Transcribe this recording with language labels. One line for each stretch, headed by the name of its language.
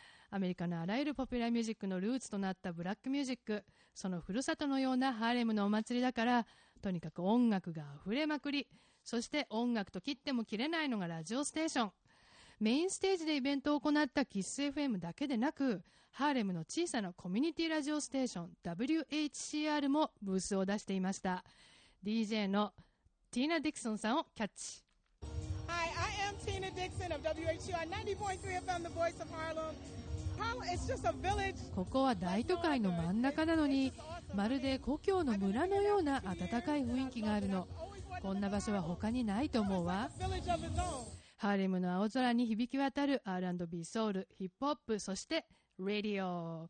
Japanese: アメリカのあらゆるポピュラーミュージックのルーツとなったブラックミュージック、そのふるさとのようなハーレムのお祭りだから、とにかく音楽があふれまくり、そして音楽と切っても切れないのがラジオステーション。メインステージでイベントを行ったキッス FM だけでなく、ハーレムの小さなコミュニティラジオステーション WHCR もブースを出していました。 DJ のティーナ・ディクソンさんをキャッチ。
English: Hi, I am Tina Dixon of WHCR 90.3 FM, the voice of Harlem. Harlem is just a village.
Japanese: ここは大都会の真ん中なのに、まるで故郷の村のような温かい雰囲気があるの。こんな場所は他にないと思うわ。ハーレムの青空に響き渡る R&B、 ソウル、ヒップホップ、そしてラジオ。